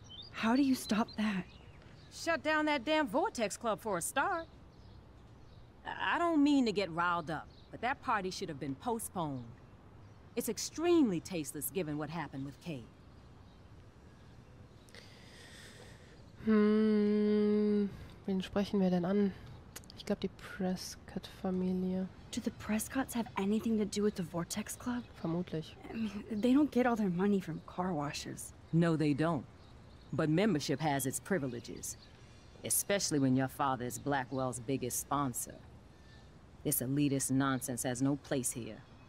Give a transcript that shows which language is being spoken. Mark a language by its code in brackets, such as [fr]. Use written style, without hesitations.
[en] How do you stop that? Shut down that damn Vortex Club for a start. I don't mean to get riled up, but that party should have been postponed. It's extremely tasteless given what happened with Kate. [de] Wen sprechen wir denn an? Ich glaube, die Prescott-Familie. [en] Do the Prescotts have anything to do with the Vortex Club? [de] Vermutlich. [en] I mean, they don't get all their money from car washes. No, they don't. But membership has its privileges. Especially when your father is Blackwell's biggest sponsor. This elitist nonsense has no place here.